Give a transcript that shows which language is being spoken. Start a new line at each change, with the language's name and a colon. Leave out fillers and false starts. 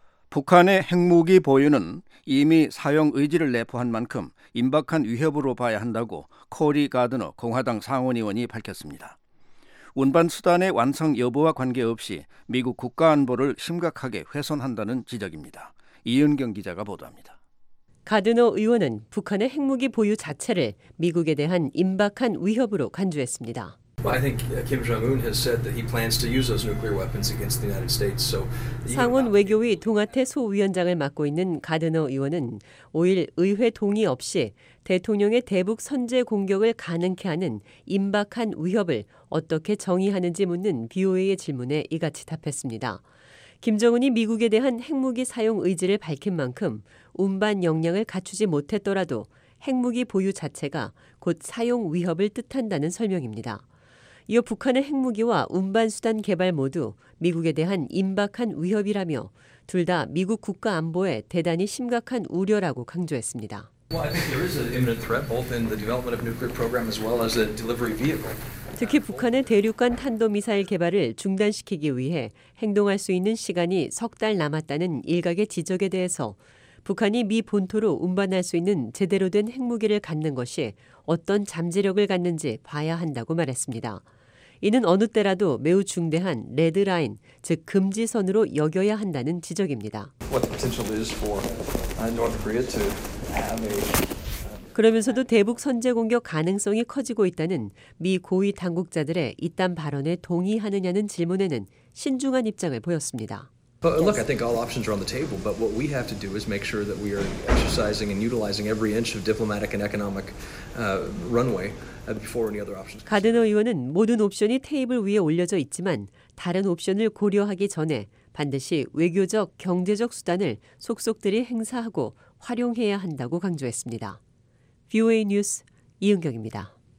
Korean: 북한의 핵무기 보유는 이미 사용 의지를 내포한 만큼 임박한 위협으로 봐야 한다고 코리 가드너 공화당 상원의원이 밝혔습니다. 운반수단의 완성 여부와 관계없이 미국 국가안보를 심각하게 훼손한다는 지적입니다. 이은경 기자가 보도합니다. 가드너 의원은 북한의 핵무기 보유 자체를 미국에 대한 임박한 위협으로 간주했습니다.
English: I think Kim Jong-un has said that he plans to use those nuclear weapons against the United States. So
Korean: 상원 외교위 동아태 소위원장을 맡고 있는 가드너 의원은 5일 의회 동의 없이 대통령의 대북 선제 공격을 가능케 하는 임박한 위협을 어떻게 정의하는지 묻는 BOA의 질문에 이같이 답했습니다. 김정은이 미국에 대한 핵무기 사용 의지를 밝힌 만큼 운반 역량을 갖추지 못했더라도 핵무기 보유 자체가 곧 사용 위협을 뜻한다는 설명입니다. 이어 북한의 핵무기와 운반수단 개발 모두 미국에 대한 임박한 위협이라며 둘 다 미국 국가 안보에 대단히 심각한 우려라고 강조했습니다.
English: Well, I think there is an imminent threat both in the development of nuclear program as well as the delivery vehicle.
Korean: 특히 북한의 대륙간 탄도미사일 개발을 중단시키기 위해 행동할 수 있는 시간이 석 달 남았다는 일각의 지적에 대해서 북한이 미 본토로 운반할 수 있는 제대로 된 핵무기를 갖는 것이 어떤 잠재력을 갖는지 봐야 한다고 말했습니다. 이는 어느 때라도 매우 중대한 레드라인, 즉 금지선으로 여겨야 한다는 지적입니다. 그러면서도 대북 선제 공격 가능성이 커지고 있다는 미 고위 당국자들의 이딴 발언에 동의하느냐는 질문에는 신중한 입장을 보였습니다.
English: But look, I think all options are on the table, but what we have to do is make sure that we are exercising and utilizing every inch of diplomatic and economic runway before any other options.
Korean: 가드너 의원은 모든 옵션이 테이블 위에 올려져 있지만 다른 옵션을 고려하기 전에 반드시 외교적, 경제적 수단을 속속들이 행사하고 활용해야 한다고 강조했습니다. VOA 뉴스 이은경입니다.